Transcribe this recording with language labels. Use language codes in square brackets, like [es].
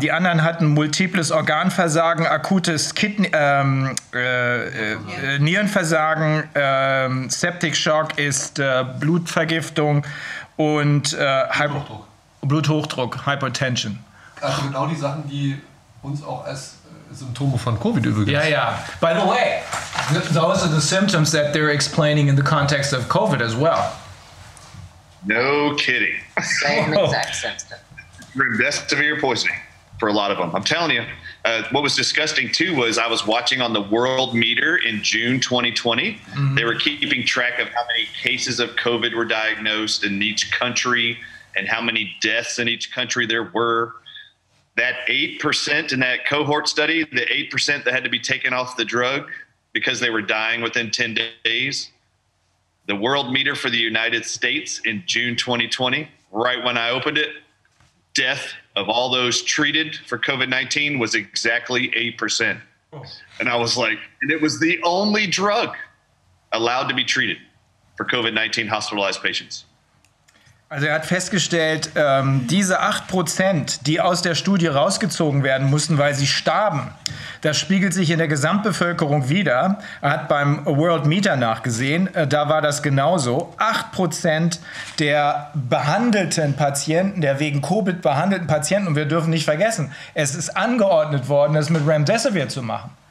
[de] Die anderen hatten multiples Organversagen, akutes Nierenversagen, Septic Shock ist Blutvergiftung und Bluthochdruck, [en] Hypertension. [de] Also genau die Sachen, die uns auch als Symptome von Covid übrigens. Ja, ja. [en] By the way, those are the symptoms that they're explaining in the context of Covid as well. No kidding. Same exact symptoms. Remdesivir poisoning for a lot of them. I'm telling you. What was disgusting too was I was watching on the world meter in June 2020. Mm-hmm. They were keeping track of how many cases of Covid were diagnosed in each country and how many deaths in each country there were. That 8% in that cohort study, the 8% that had to be taken off the drug because they were dying within 10 days, the world meter for the United States in June 2020, right when I opened it, death of all those treated for COVID-19 was exactly 8%. And I was like, and it was the only drug allowed to be treated for COVID-19 hospitalized patients. [de] Also er hat festgestellt, diese 8%, die aus der Studie rausgezogen werden mussten, weil sie starben, das spiegelt sich in der Gesamtbevölkerung wider. Er hat beim World Meter nachgesehen, da war das genauso. 8% der behandelten Patienten, der wegen Covid behandelten Patienten, und wir dürfen nicht vergessen, es ist angeordnet worden, das mit Remdesivir zu machen.